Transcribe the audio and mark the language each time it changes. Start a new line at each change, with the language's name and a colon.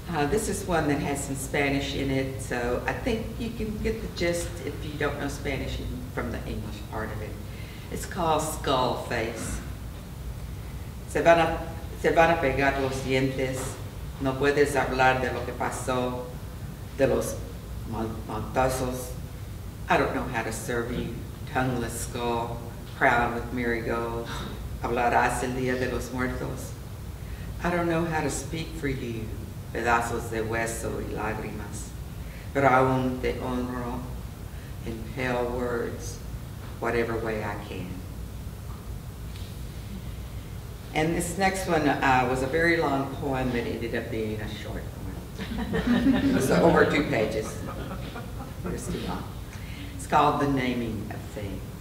English: This is one that has some Spanish in it, so I think you can get the gist if you don't know Spanish from the English part of it. It's called Skull Face.
Spanish: Se van a pegar los dientes. No puedes hablar de lo que pasó, de los montazos.
English: I don't know how to serve you, tongueless skull, crowned with marigolds.
Spanish: Hablarás el día de los muertos.
English: I don't know how to speak for you,
Spanish: pedazos de hueso y lágrimas.
English: But I want to honor in pale words, whatever way I can. And this next one was a very long poem, but ended up being a short one. It was over 2 pages. It's called The Naming of Things.